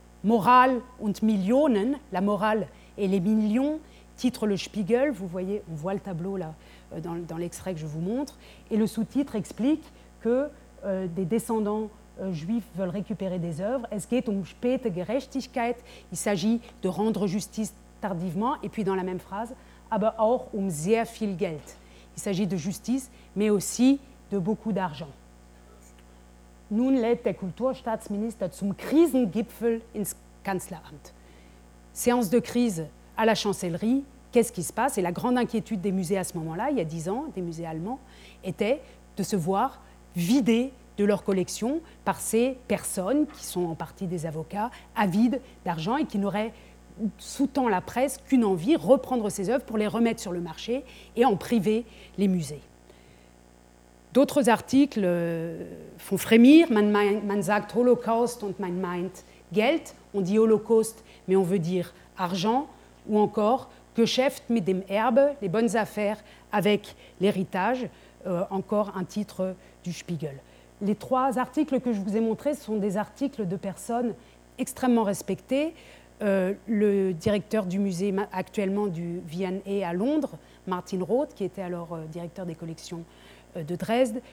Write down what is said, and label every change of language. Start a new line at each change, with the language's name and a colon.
German: Moral und Millionen,
French: la morale et les millions, titre le Spiegel, vous voyez, on voit le tableau là, dans l'extrait que je vous montre, et le sous-titre explique que des descendants juifs veulent récupérer des œuvres.
German: Es geht um späte Gerechtigkeit,
French: il s'agit de rendre justice tardivement, et puis dans la même phrase,
German: aber auch um sehr viel Geld.
French: Il s'agit de justice, mais aussi de beaucoup d'argent.
German: Nun lädt der Kulturstaatsminister zum Krisengipfel ins Kanzleramt.
French: Séance de crise à la chancellerie, qu'est-ce qui se passe? Et la grande inquiétude des musées à ce moment-là, il y a 10 ans, des musées allemands, était de se voir vider de leur collection par ces personnes, qui sont en partie des avocats, avides d'argent et qui n'auraient sous-tend la presse qu'une envie, reprendre ses œuvres pour les remettre sur le marché et en priver les musées. D'autres articles font frémir.
German: Man sagt Holocaust und man meint Geld.
French: On dit Holocaust, mais on veut dire argent. Ou encore
German: Geschäft mit dem Erbe,
French: les bonnes affaires avec l'héritage. Encore un titre du Spiegel. Les trois articles que je vous ai montrés sont des articles de personnes extrêmement respectées. Le directeur du musée actuellement du V&A à Londres, Martin Roth, qui était alors directeur des collections de Dresde.